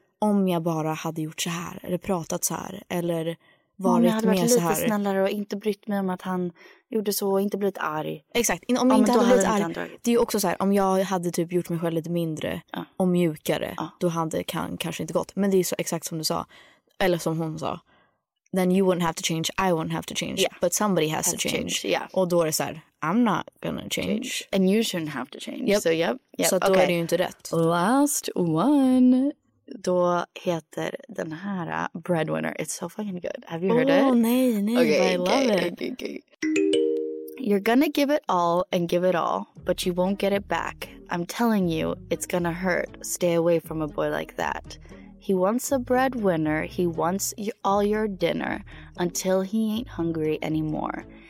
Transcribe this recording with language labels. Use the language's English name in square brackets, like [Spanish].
[Swedish] Om jag bara hade gjort så här, eller pratat så här, eller... Om jag hade varit så här. Lite snällare och inte brytt mig om att han gjorde så och inte blivit arg. Exakt, om jag inte hade blivit arg. Det är också så här, om jag hade typ gjort mig själv lite mindre och mjukare, då hade det kanske inte gått. Men det är så exakt som du sa, eller som hon sa. [English] Then you wouldn't have to change, I wouldn't have to change, but somebody has to change. Yeah. [Swedish] Och då är det så här, [English] I'm not gonna change. And you shouldn't have to change. Yep. So, [Swedish] så då är det ju inte rätt. [English] Last one. [Swedish] Då heter den här Breadwinner. [English] It's so fucking good. Have you heard it? [Swedish] Oh, nej. [English] Okay, I love it. Okay. You're gonna give it all and give it all, but you won't get it back. I'm telling you, it's gonna hurt. Stay away from a boy like that. He wants a breadwinner. He wants all your dinner until he ain't hungry anymore.